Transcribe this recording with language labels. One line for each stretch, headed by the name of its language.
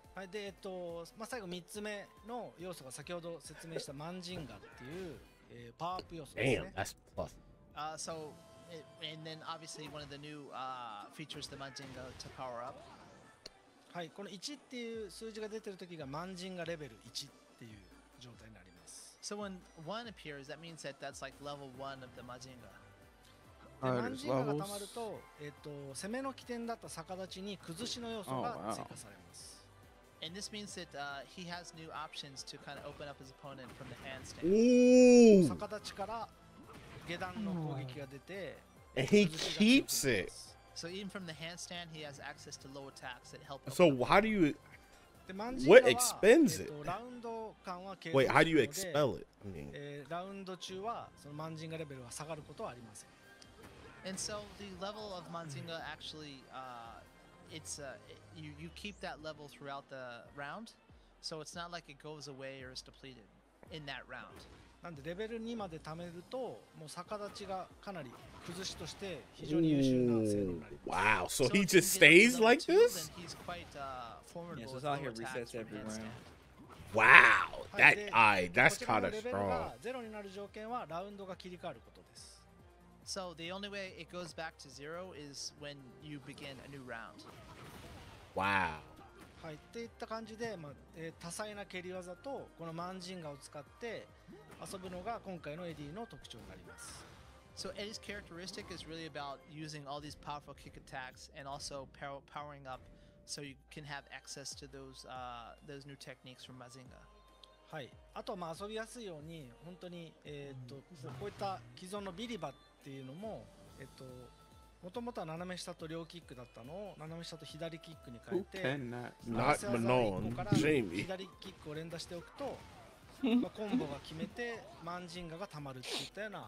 Japanese: で、まあ、最後3つ目の要素が先ほど説明したマンジンガっていう、パワーアップ要素ですね。
English: Damn, that's plus. So, and then obviously one of the new features, the マンジンガ to power up.
Japanese: はい、この1っていう数字が出てる時がマンジンガレベル1っていう状態になります。
English: So when 1 appears, that means that that's like level 1 of the マンジンガ。
Japanese: マンジンガが溜まると、攻めの起点だった逆立ちに崩しの要素が追加されます。
English: And this means that he has new options to kind of open up his opponent from the handstand. Ooh!
Japanese: 逆立ちから下段の攻撃が出て、
English: and he keeps it. So even from the handstand, he has access to low attacks that help. So how do you? What expends it? Wait, how do you expel it?
Japanese: Round 中はそのマンジンガレベルは下がることはありません。
English: And so the level of Manzinga actually. It's you keep that level throughout the round, so it's not like it goes away or is depleted in that round.
Japanese: なんでレベル2まで貯めるともう逆立ちがかなり崩しとして非常に優秀な性能になります。
English: Wow, so he just stays like this? He's quite formidable. Yeah, so it's out here resets every round. Wow, that's kind of strong.
Japanese: ゼロになる条件はラウンドが切り替わることです。
English: So the only way it goes back to zero is when you begin a new round. Wow.
Japanese: はい、っていった感じで、まあ、多彩な蹴り技とこのマンジンガを使って遊ぶのが今回のエディの特徴になります。
English: So Eddie's characteristic is really about using all these powerful kick attacks and also powering up so you can have access to those new techniques from Mazinga.
Japanese: はい、あとまあ遊びやすいように本当に、こういった既存のビリバッっていうのも、元々は斜め下と両キックだったのを斜め下と左キックに変えて、
English: not Manon, Jamie.
Japanese: 左キックを連打しておくと、まあ、コンボが決めてマンジンガが溜まるっていったような。